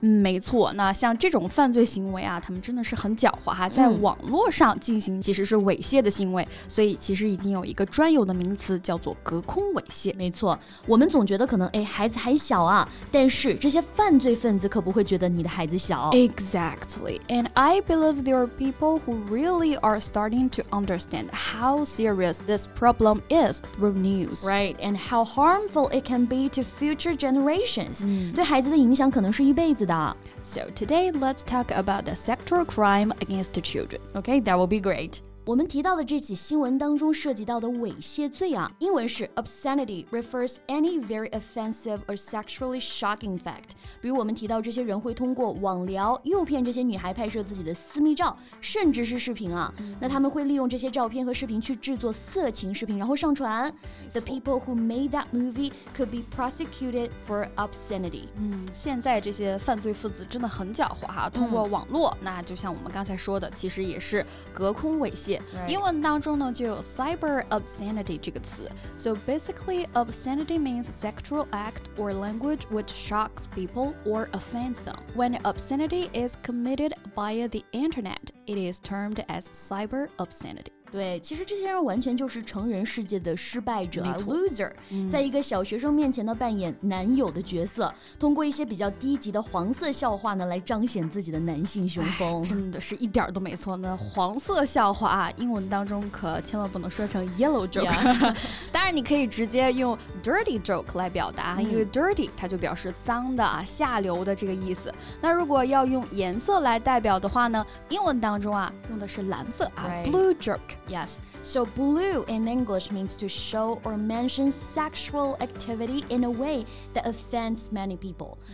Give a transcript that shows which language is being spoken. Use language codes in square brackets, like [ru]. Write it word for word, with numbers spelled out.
[zh] 嗯，没错，那像这种犯罪行为啊，他们真的是很狡猾哈，在网络上进行其实是猥亵的行为、嗯、所以其实已经有一个专有的名词叫做隔空猥亵。没错，我们总觉得可能哎孩子还小啊，但是这些犯罪分子可不会觉得你的孩子小。 [en] Exactly, and I believe there are people who really are starting to understand how serious this problem is through news. Right, and how harmful it can be to future generations、嗯、 [zh] 对孩子的影响可能是一辈子的。 [en] So today, let's talk about the sexual crime against the children. Okay, that will be great. [zh] 我们提到的这起新闻当中涉及到的猥亵罪啊，英文是 [en] obscenity refers any very offensive or sexually shocking fact. [zh] 比如我们提到这些人会通过网聊诱骗这些女孩拍摄自己的私密照，甚至是视频啊。那他们会利用这些照片和视频去制作色情视频，然后上传。 [en] The people who made that movie could be prosecuted for obscenity. [zh] 嗯，现在这些犯罪分子真的很狡猾哈，通过网络，那就像我们刚才说的，其实也是隔空猥亵。 [en] Right. [zh] 英文当中呢就有 cyber obscenity 这个词。 [en] So basically, obscenity means sexual act or language which shocks people or offends them. When obscenity is committed via the internet, it is termed as cyber obscenity. [zh] 对，其实这些人完全就是成人世界的失败者、啊、loser、嗯、在一个小学生面前呢扮演男友的角色，通过一些比较低级的黄色笑话呢来彰显自己的男性雄风。真的是一点都没错呢，黄色笑话啊，英文当中可千万不能说成 [en] yellow joke、 yeah. [zh] 当然你可以直接用 [en] dirty joke [zh] 来表达、嗯、因为 dirty 它就表示脏的啊、下流的这个意思。那如果要用颜色来代表的话呢，英文当中啊用的是蓝色啊、 [en] right. blue joke. Yes, so blue in English means to show or mention sexual activity in a way that offends many people.